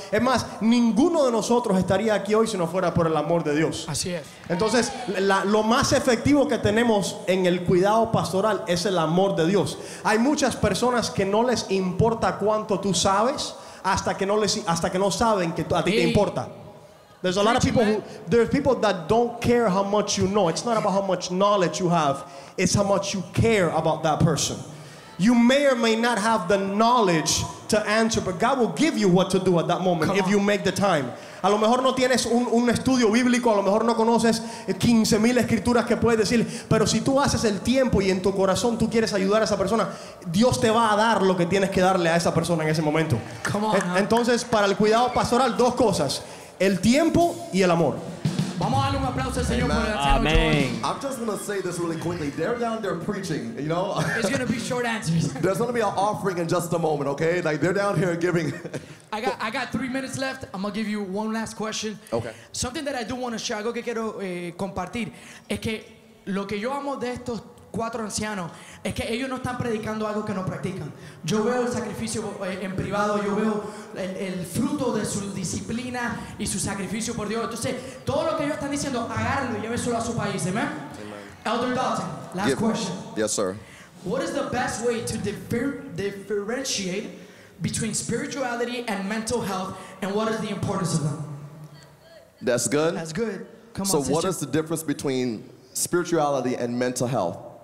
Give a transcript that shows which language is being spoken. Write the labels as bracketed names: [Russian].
[Spanish] Es más, ninguno de nosotros estaría aquí hoy si no fuera por el amor de Dios. Así es. Entonces, lo más efectivo que tenemos en el cuidado pastoral es el amor de Dios. Hay muchas personas que no les importa cuánto tú sabes hasta que no saben que a ti te importa. [English] There's a lot of people that don't care how much you know. It's not about how much knowledge you have. It's how much you care about that person. You may or may not have the knowledge to answer, but God will give you what to do at that moment if you make the time. [Spanish] A lo mejor no tienes un estudio bíblico, a lo mejor no conoces 15,000 escrituras que puedes decir, pero si tú haces el tiempo y en tu corazón tú quieres ayudar a esa persona, Dios te va a dar lo que tienes que darle a esa persona en ese momento. Entonces, para el cuidado pastoral, dos cosas: el tiempo y el amor. Vamos a darle un aplauso al Señor por el Señor. [English] I'm just going to say this really quickly. They're down there preaching, you know? It's going to be short answers. There's going to be an offering in just a moment, okay? Like, they're down here giving. I got 3 minutes left. I'm going to give you one last question. Okay. Something that I do want to share, [Spanish] algo que quiero compartir, es que lo que yo amo de estos cuatro ancianos es que ellos no están predicando algo que no practican. Yo veo el sacrificio en privado, yo veo el fruto de su disciplina y su sacrificio por Dios. Entonces, todo lo que ellos están diciendo, agárrenlo y llévenselo a su país. [English] Amen. Elder Dalton, last question. Yes, sir. What is the best way to differentiate between spirituality and mental health, and what is the importance of them? That's good. That's good. Come so on, what is the difference between spirituality and mental health?